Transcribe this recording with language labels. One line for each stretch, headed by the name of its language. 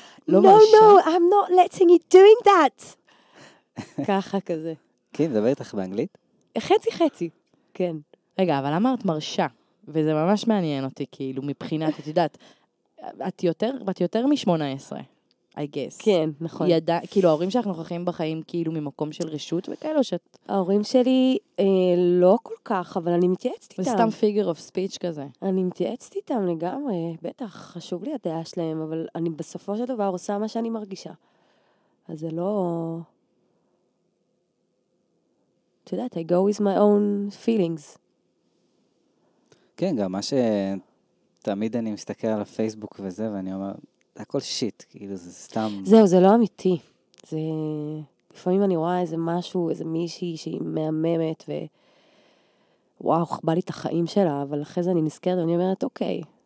English: No, I'm not letting you doing that.
Hebrew: ככה כזה. כן, מדבר איתך באנגלית? חצי חצי, כן. רגע, אבל אמרת מרשה, וזה ממש מעניין אותי, כאילו, מבחינת, את יודעת, את יותר מ-18,
English: I guess.
Hebrew: כן, נכון. כאילו, ההורים שלך נוכחים בחיים, כאילו, ממקום של רשות וכאלו, שאת... ההורים שלי לא כל כך, אבל אני מתייעצת איתם. סתם
English: figure of speech
Hebrew: כזה. אני מתייעצת איתם לגמרי, בטח, חשוב לי הדעה שלהם, אבל אני בסופו של דבר עושה מה שאני מרגישה. אז זה לא...
English: to that, I go with my own feelings.
Hebrew: כן, גם מה שתמיד אני מסתכל על הפייסבוק וזה, ואני אומר, זה הכל שיט, כאילו זה סתם... זהו, זה לא אמיתי. זה... לפעמים אני רואה איזה משהו, איזה מישהי שהיא מהממת, ו... וואו, חבל לי את החיים שלה, אבל אחרי זה אני נזכרת, ואני אומרת, אוקיי.